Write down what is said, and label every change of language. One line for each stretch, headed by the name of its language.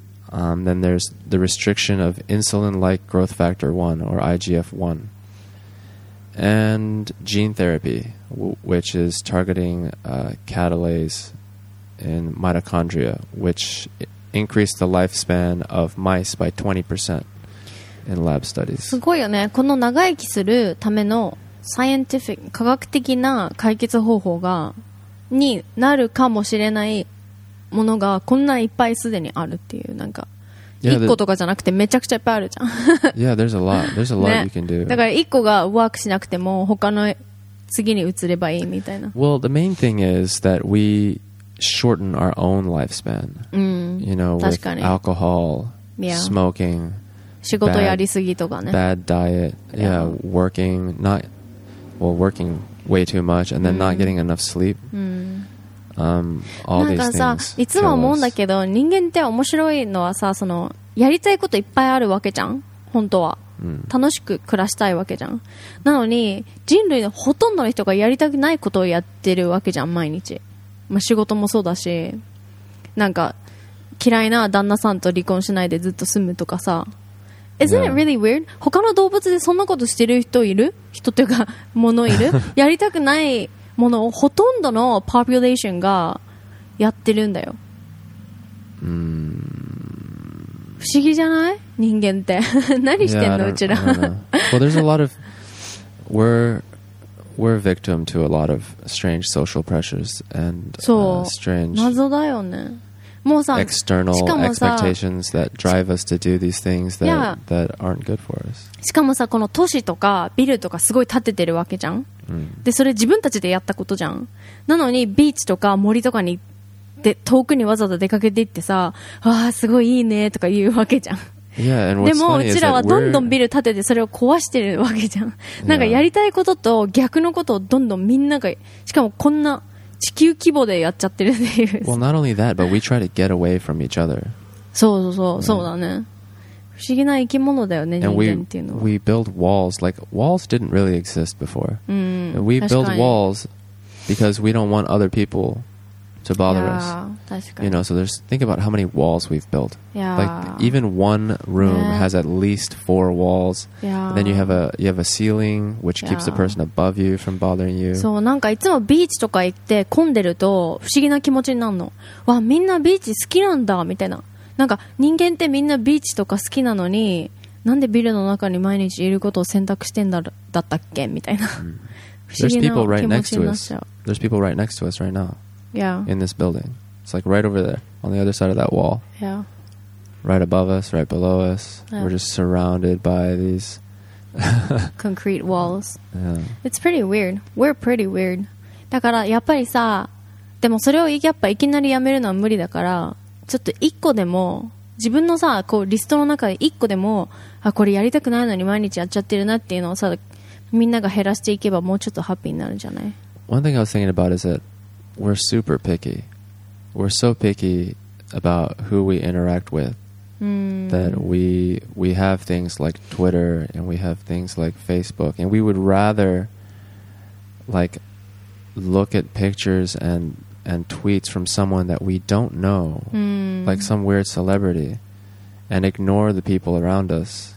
English: Then there's the restriction of insulin-like growth factor 1, or IGF-1. And gene therapy, which is targeting catalase in mitochondria, which increased the lifespan of mice by 20% in lab studies.
Japanese: すごいよね。この長生きするためのサイエンティフィック、科学的な解決方法がになるかもしれないものがこんないっぱいすでにあるっていう、なんか1個とかじゃなくてめちゃくちゃいっぱいあるじゃん。
English: Yeah, there's a lot. There's a lot、ね、you can do.
Japanese: だから1個がワークしなくても他の次に移ればいいみたいな。
English: Well, the main thing is that we shorten our own lifespan. You know, with alcohol, smoking,
Japanese: 仕事やりすぎとかね。
English: Bad diet, yeah, working, not, well, working way too much, and then not getting enough sleep. All these things.
Japanese: なんかさ、いつも思うんだけど、人間って面白いのはさ、そのやりたいこといっぱいあるわけじゃん。本当は。楽しく暮らしたいわけじゃん。なのに、人類のほとんどの人がやりたくないことをやってるわけじゃん、毎日。まあ、仕事もそうだし、なんか嫌いな旦那さんと離婚しないでずっと住むとかさ、
English: Isn't it really weird?
Japanese: 他の動物でそんなことしてる人いる？人というか物いる？やりたくないものをほとんどのポピュレーションがやってるんだよ。不思議じゃない？人間って何してんの？うちら。
English: Well, there's a lot of we're a victim to a lot of strange social pressures and strange
Japanese: 謎だよね。もうさ、
English: external expectations that drive us to do these things that aren't good for us.
Japanese: しかもさ、この都市とかビルとかすごい建ててるわけじゃん。で、それ自分たちでやったことじゃん。なのにビーチとか森とかに、で、遠くにわざわざ出かけていってさ、わあすごいいいねとか言うわけじゃん。
English: Yeah, and what's
Japanese: でもうちらはどんどんビル建ててそれを壊してるわけじゃん。なんかやりたいことと逆のことをどんどんみんなが、しかもこんな地球規模でやっちゃってるっていう。
English: Well, not only that, but we try to get away from each other.
Japanese: そうそうそう、right. そうだね。不思議な生き物だよね、人間っていうのは。
English: We build walls. Like, walls didn't really exist before. We build walls because we don't want other people to bother us. You know, so there's, think about how many walls we've built. Yeah. Like even one room has at least 4 walls. Yeah. And then you have a ceiling which keeps the person above you from bothering you.
Japanese: そう、なんかいつもビーチとか行って混んでると不思議な気持ちになるの。わ、みんなビーチ好きなんだみたいな。なんか人間ってみんなビーチとか好きなのに、なんでビルの中に毎日いることを選択してんだったっけみたいな。
English: There's people right next to us. There's people right next to us right now. Yeah. In this building. It's like right over there, on the other side of that wall. Yeah. Right above us, right below us. Yeah. We're just surrounded by these concrete walls. Yeah. It's pretty weird. We're pretty weird.
Japanese: だからやっぱりさ、でもそれをやっぱいきなりやめるのは無理だから、ちょっと一個でも、自分のさ、こうリストの中で一個でも、あ、これやりたくないのに毎日やっちゃってるなっていうのをさ、みんなが減らしていけばもうちょっとハッピーになるんじゃない？
English: One thing I was thinking about is that we're super picky. We're so picky about who we interact with that we have things like Twitter and we have things like Facebook, and we would rather like look at pictures and tweets from someone that we don't know, like some weird celebrity, and ignore the people around us.